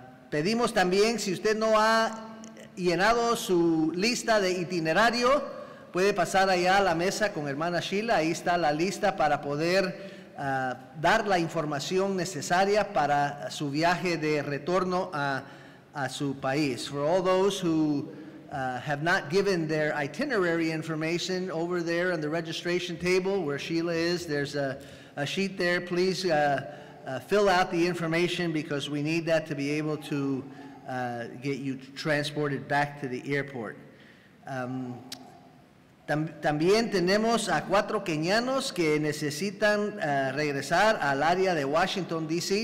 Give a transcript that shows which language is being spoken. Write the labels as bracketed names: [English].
[Spanish] Pedimos también, si usted no ha llenado su lista de itinerario, puede pasar allá a la mesa con hermana Sheila. Ahí está la lista para poder dar la información necesaria para su viaje de retorno a su país. [English] For all those who have not given their itinerary information, over there on the registration table where Sheila is, there's a sheet there. Please fill out the information because we need that to be able to get you transported back to the airport. [Spanish] También tenemos a cuatro kenianos que necesitan regresar al área de Washington, D.C.